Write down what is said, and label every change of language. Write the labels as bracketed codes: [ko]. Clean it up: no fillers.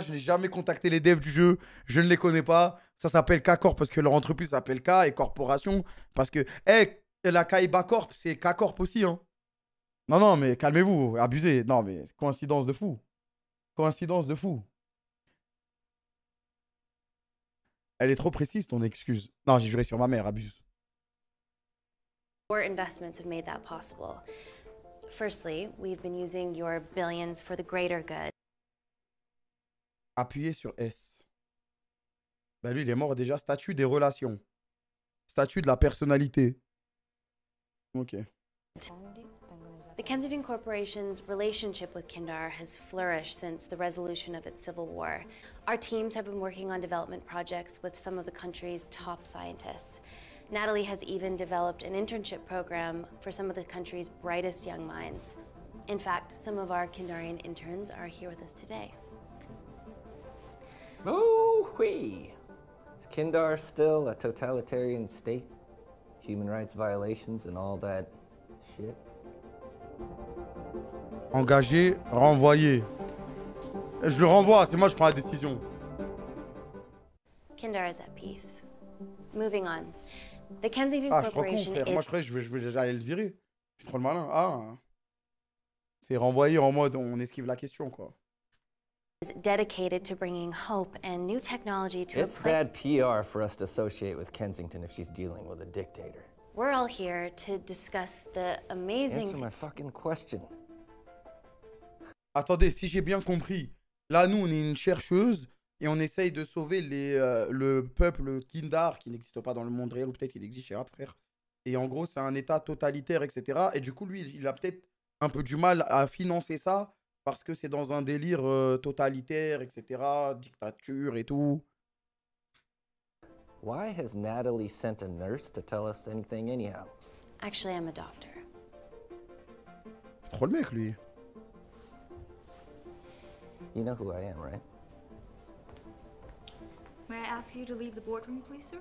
[fr] Je n'ai jamais contacté les devs du jeu. Je ne les connais pas. Ça s'appelle K-Corp parce que leur entreprise s'appelle K et Corporation. Parce que, hé, hey, la Kaiba Corp, c'est K-Corp aussi. Hein. Non, non, mais calmez-vous. Abusez. Non, mais coïncidence de fou. Coïncidence de fou. Elle est trop précise, ton excuse. Non, j'ai juré sur ma mère. Abuse. [en] Your investments have made that possible. Firstly, we've been using your billions for the greater good. [fr] Appuyez sur S. Ben lui, il est mort déjà. Statut des relations. Statut de la personnalité. Ok. [en] The Kensington Corporation's relationship with Kindar has flourished since the resolution of its civil war. Our teams have been working on development projects with some of the country's top scientists. Natalie has even developed an internship program for some of the country's brightest young minds. In fact, some of our Kindarian interns are here with us today. Oh! Hui. Is Kindar still a totalitarian state? Human rights violations and all that shit? [fr] Engagé, renvoyé. Je le renvoie, c'est moi qui prends la décision. [en] Kindar is at peace. Moving on. The Kensington Corporation [fr] Je crois qu'on, frère. Moi, je vais aller le virer. Je suis trop le malin. Ah. C'est renvoyé en mode on esquive la question, quoi. [en] Is dedicated to bringing hope and new technology to It's bad PR for us to associate with Kensington if she's dealing with a dictator. We're all here to discuss the amazing... Answer my fucking question. [fr] Attendez, si j'ai bien compris, là, nous, on est une chercheuse et on essaye de sauver le peuple Kindar qui n'existe pas dans le monde réel ou peut-être qu'il existe chez un frère. Et en gros, c'est un état totalitaire, etc. Et du coup, lui, il a peut-être un peu du mal à financer ça parce que c'est dans un délire totalitaire, etc., dictature et tout. [en] Why has Natalie sent a nurse to tell us anything anyhow? Actually, I'm a doctor. [fr] C'est trop le mec, lui. [en] You know who I am, right? May I ask you to leave the boardroom, please, sir?